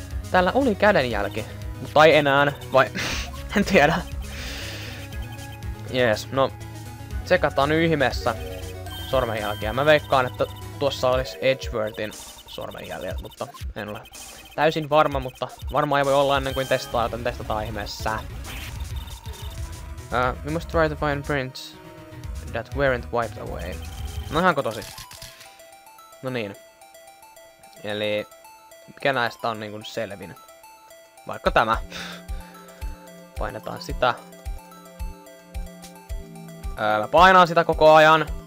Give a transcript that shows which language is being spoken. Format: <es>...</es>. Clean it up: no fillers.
<fi>Täällä oli kädenjälki. Mutta ei enää, vai... en tiedä. Jees, no... tsekataan ihmeessä sormenjälkiä. Mä veikkaan, että tuossa olisi Edgeworthin sormenjäljet, mutta en ole täysin varma, mutta varmaan ei voi olla ennen kuin testaa, joten testataan ihmeessä.</fi> <en>We must try to find prints that weren't wiped away.</en> <fi>No ihanko tosi? No niin. Eli... mikä näistä on niinku selvin? Vaikka tämä. Painetaan sitä. Mä painaan sitä koko ajan.</fi>